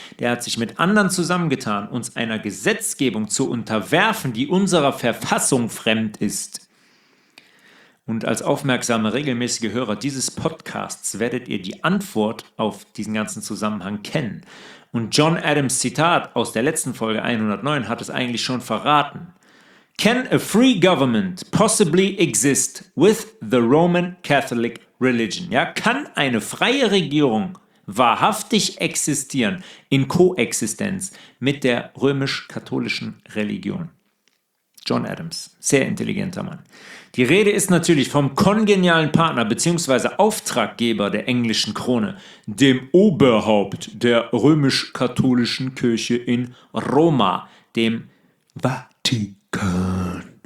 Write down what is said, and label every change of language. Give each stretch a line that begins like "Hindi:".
German: Der hat sich mit anderen zusammengetan, uns einer Gesetzgebung zu unterwerfen, die unserer Verfassung fremd ist. Und als aufmerksame, regelmäßige Hörer dieses Podcasts werdet ihr die Antwort auf diesen ganzen Zusammenhang kennen. Und John Adams Zitat aus der letzten Folge 109 hat es eigentlich schon verraten.
English: "Can a free government possibly exist with the Roman Catholic religion?"
German: Ja, kann eine freie Regierung wahrhaftig existieren in Koexistenz mit der römisch-katholischen Religion? John Adams, sehr intelligenter Mann. Die Rede ist natürlich vom kongenialen Partner bzw. Auftraggeber der englischen Krone, dem Oberhaupt der römisch-katholischen Kirche in Roma, dem Vatikan.